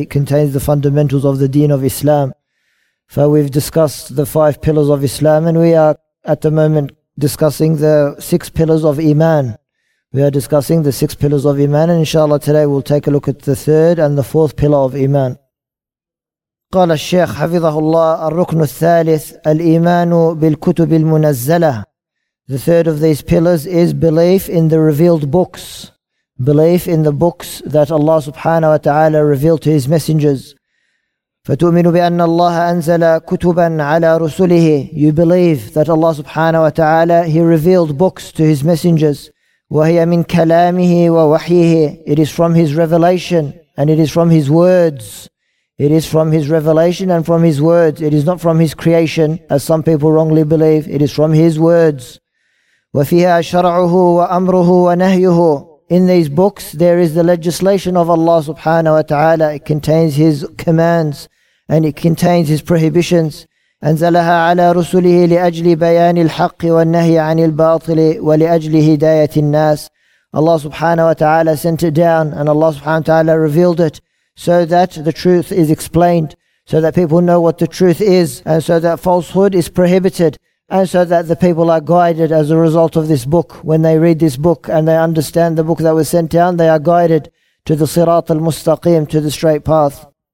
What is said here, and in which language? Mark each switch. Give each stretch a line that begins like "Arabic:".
English: It contains the fundamentals of the deen of Islam. So we've discussed the five pillars of Islam, and we are at the moment discussing the six pillars of Iman. We are discussing the six pillars of Iman, and inshallah today we'll take a look at the third and the fourth pillar of Iman.
Arabic: قال الشيخ حفظه الله الركن الثالث الإيمان بالكتب المنزلة.
English: The third of these pillars is belief in the revealed books. Belief in the books that Allah subhanahu wa ta'ala revealed to His messengers.
Arabic: فتؤمن بأن الله أنزل كتبا على رسله.
English: You believe that Allah subhanahu wa ta'ala, He revealed books to His messengers.
Arabic: وَهِيَ مِنْ كَلَامِهِ وَوَحْيِهِ.
English: It is from His revelation and it is from His words. It is from His revelation and from His words. It is not from His creation, as some people wrongly believe. It is from His words.
Arabic: وَفِيهَا شَرَعُهُ وَأَمْرُهُ وَنَهْيُهُ.
English: In these books, there is the legislation of Allah subhanahu wa ta'ala. It contains His commands and it contains His prohibitions.
Arabic: أنزلها على رسله لأجل بيان الحق والنهي عن الباطل ولأجل هداية الناس.
English: Allah subhanahu wa ta'ala sent it down, and Allah subhanahu wa ta'ala revealed it so that the truth is explained, so that people know what the truth is, and so that falsehood is prohibited, and so that the people are guided as a result of this book. When they read this book and they understand the book that was sent down, they are guided to the صراط المستقيم, to the straight path.